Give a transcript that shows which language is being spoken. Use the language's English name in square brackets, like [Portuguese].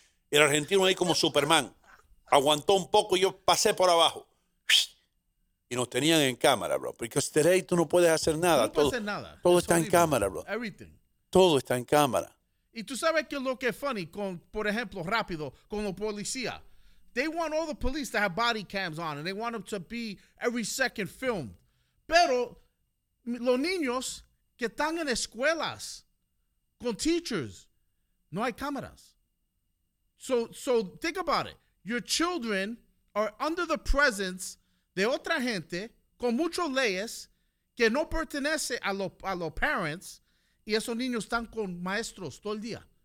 [Spanish] El argentino ahí como Superman. Aguantó un poco y yo pasé por abajo. Y nos tenían en cámara, bro. Porque [English] today [Spanish] tú no puedes hacer nada. No puedes hacer nada. Todo está en cámara, bro. [English] Everything. [Spanish] Todo está en cámara. Y tú sabes que lo que es funny, con, por ejemplo, rápido, con los policías. [English] They want all the police to have body cams on and they want them to be every second filmed. [Spanish] Pero los niños que están en escuelas con teachers, no hay cámaras. [English] So think about it. Your children are under the presence [Spanish] de otra gente con muchas leyes que no pertenece a los parents, y esos niños están con maestros todo el día.